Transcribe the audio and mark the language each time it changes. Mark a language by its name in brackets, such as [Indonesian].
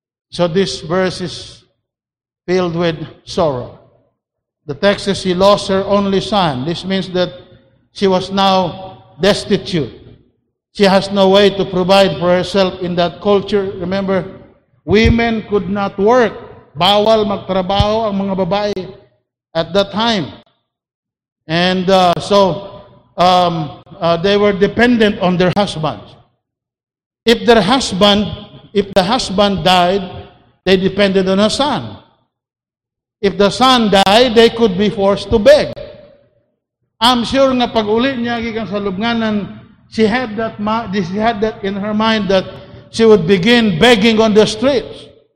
[English] So this verse is filled with sorrow. The text says she lost her only son. This means that she was now destitute. She has no way to provide for herself in that culture. Remember, women could not work. [Filipino] Bawal magtrabaho ang mga babae [English] at that time. And they were dependent on their husbands. If the husband died, they depended on a son. If the son died, they could be forced to beg. I'm sure [Cebuano] nga pag-uli niya gikan sa lubnganan, [English] she had that in her mind that she would begin begging on the streets.